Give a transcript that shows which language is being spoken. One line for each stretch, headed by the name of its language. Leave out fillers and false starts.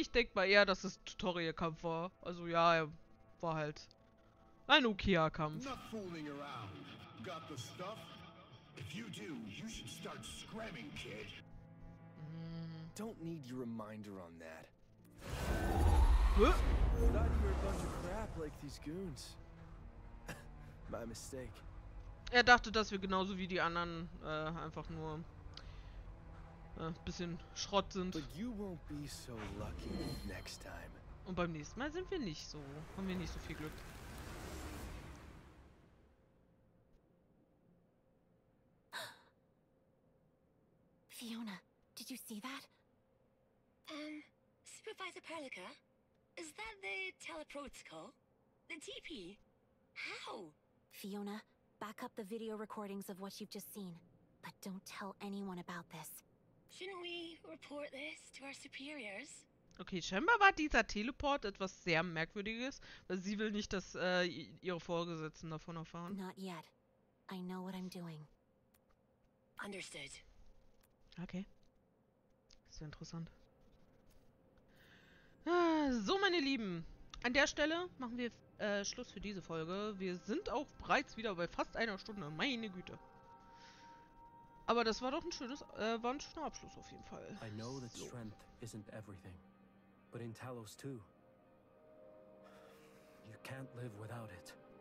German: Ich denke mal eher, dass es Tutorial-Kampf war. Also ja, er war halt ein okayer Kampf.
English: Not fooling around. Got the stuff? If you do, you should start scramming, kid. Don't need your reminder on that. Thought you were a bunch of crap like these goons. My mistake.
German: Er dachte, dass wir genauso wie die anderen einfach nur bisschen Schrott sind. Und beim nächsten Mal sind wir nicht so. Haben wir nicht so viel Glück.
English: Fiona, did you see that? Supervisor Perlica? Is that the teleprotocol? The TP? How? Fiona? Back up the video recordings of what you've just seen, but don't tell anyone about this. Shouldn't we report this to our superiors?
German: Okay, scheinbar war dieser Teleport etwas sehr Merkwürdiges, weil sie will nicht, dass ihre Vorgesetzten davon erfahren.
English: Not yet. I know what I'm doing. Understood.
German: Okay. Sehr interessant. So, meine Lieben. An der Stelle machen wir Schluss für diese Folge. Wir sind auch bereits wieder bei fast einer Stunde. Meine Güte. Aber das war doch ein schönes, war ein schöner Abschluss auf jeden Fall.
English: I know that strength isn't everything, but in Talos too. You can't live without it.